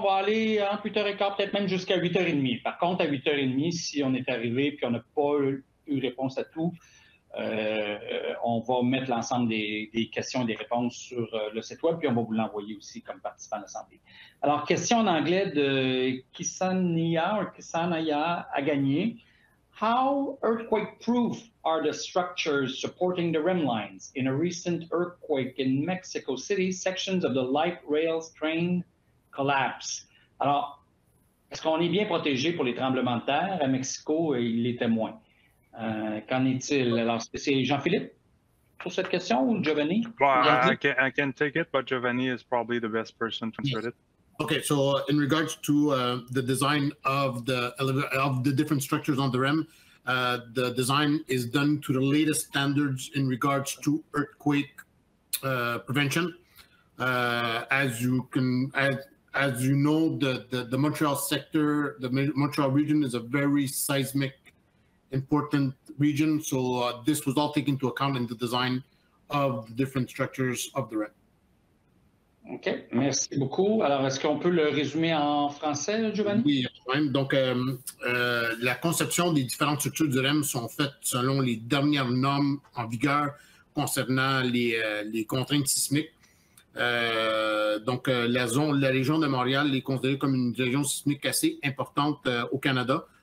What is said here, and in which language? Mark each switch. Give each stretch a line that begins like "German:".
French: On va aller à 8 heures et quart, peut-être même jusqu'à 8 heures et demie. Par contre, à 8 heures et demie, si on est arrivé et qu'on n'a pas eu réponse à tout, on va mettre l'ensemble des questions et des réponses sur le site web, puis on va vous l'envoyer aussi comme participant à l'Assemblée. Alors, question en anglais de Kisanaya ou Kisanaya a gagné.
English: How earthquake-proof are the structures supporting the rem lines? In a recent earthquake in Mexico City, sections of the light rail train collapse.
French: Alors, est-ce qu'on est bien protégé pour les tremblements de terre à Mexico? Il était moins. Qu'en est-il? Alors, c'est Jean-Philippe pour cette question ou Giovanni?
English: Well, I can take it, but Giovanni is probably the best person to answer it. Okay, so in regards to the design of the different structures on the REM, the design is done to the latest standards in regards to earthquake prevention. As you know, the Montreal sector, the Montreal region is a very seismic important region. So this was all taken into account in the design of the different structures of the REM.
French: OK, merci beaucoup. Alors, est-ce qu'on peut le résumer en français, Giovanni? Oui, même. Donc, la conception des différentes structures du REM sont faites selon les dernières normes en vigueur concernant les contraintes sismiques. La région de Montréal est considérée comme une région sismique assez importante au Canada.